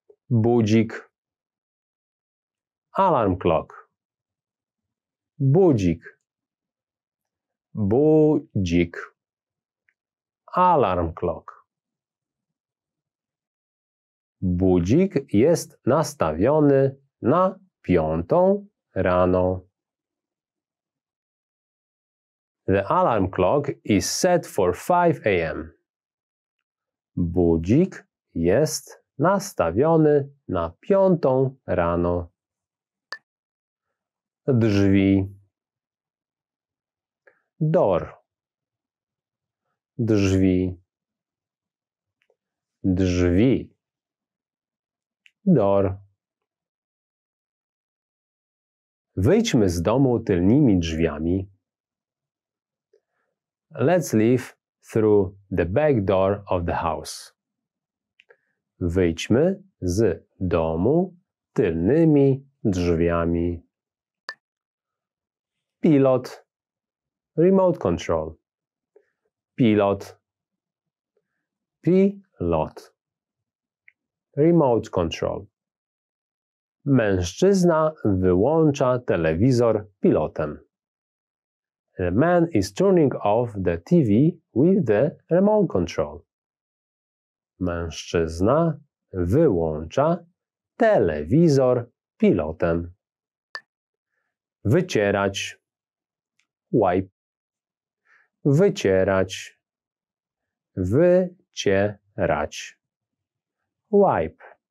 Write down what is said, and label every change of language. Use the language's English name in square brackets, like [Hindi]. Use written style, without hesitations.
[Polish] Budzik. Alarm clock. Budzik. Budzik. Alarm clock. Budzik jest nastawiony na 5 rano. [English] The alarm clock is set for 5 a.m. [Polish] Budzik jest nastawiony na 5 rano. Drzwi. [English] Door. Drzwi. [Polish] Drzwi. Door. Wyjdźmy z domu tylnymi drzwiami. [English] Let's leave through the back door of the house. [Polish] Wyjdźmy z domu tylnymi drzwiami. Pilot. Remote control. Pilot. Pilot. Remote control. Mężczyzna wyłącza telewizor pilotem. [English] The man is turning off the TV with the remote control. [Polish] Mężczyzna wyłącza telewizor pilotem. Wycierać. Wipe. Wycierać. Wycierać. Wipe.